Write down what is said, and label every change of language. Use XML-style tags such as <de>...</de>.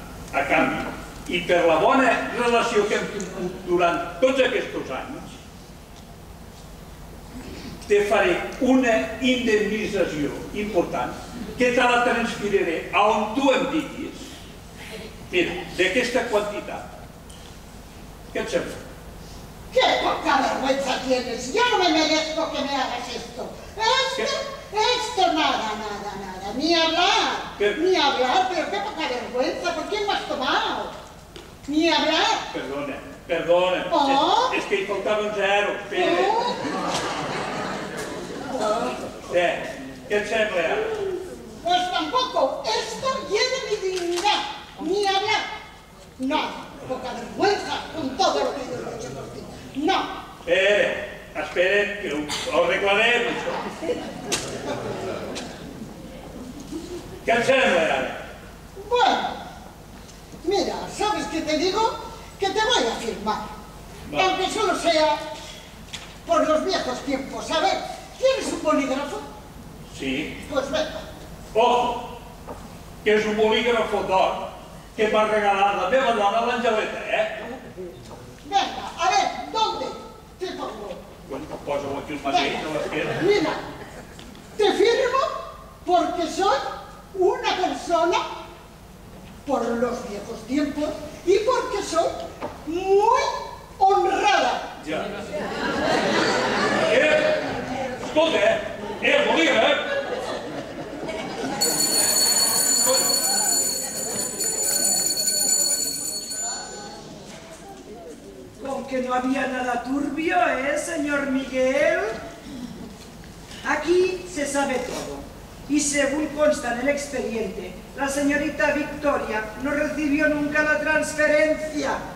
<ca>A canvi, i per la bona relació que hem tingut durant tots aquests anys, te faré una indemnització important que te la transferiré a on tu em diguis. Mira, d'aquesta quantitat. Què et sembla?</ca> <es>Que poca vergüenza tienes. Yo no me merezco que me hagas esto. Esto nada. Ni hablar, pero qué poca vergüenza. ¿Por quién me has tomado? Ni hablar.</es> <ca>Perdona. Oh.</ca> <es>Es que he faltado un zero.</es> <ca>Pere. Què et sembla?</ca> <es>Pues tampoco. Esto tiene mi dignidad. Ni hablar. No. Poca vergüenza con todo lo que yo he hecho por ti. No.</es> <ca>Esperen, que ho arreglarem, això. Què et sembla, ara?</ca> <es>Bueno, mira, ¿sabes qué te digo? Que te voy a firmar. Va. Aunque solo sea por los viejos tiempos. A ver, ¿tienes un bolígrafo? Sí. Pues venga. Ojo,</es> <ca>que és un bolígrafo d'or que m'ha regalat la meva dona, l'Angeleta,</ca> <es>Venga, a ver, ¿dónde? Te pongo.</es> <ca>Posa-ho aquí el mateix, a l'esquerra.</ca> <es>Mira, te firmo porque soy una persona por los viejos tiempos y porque soy muy honrada.</es> <ca>Ja. Escolta, el bolígraf. Com que no havia</ca> <es>nada turbio,</es> <ca>senyor Miguel?</ca> <es>Aquí se sabe todo. Y según consta en el expediente, la señorita Victoria no recibió nunca la transferencia.</es>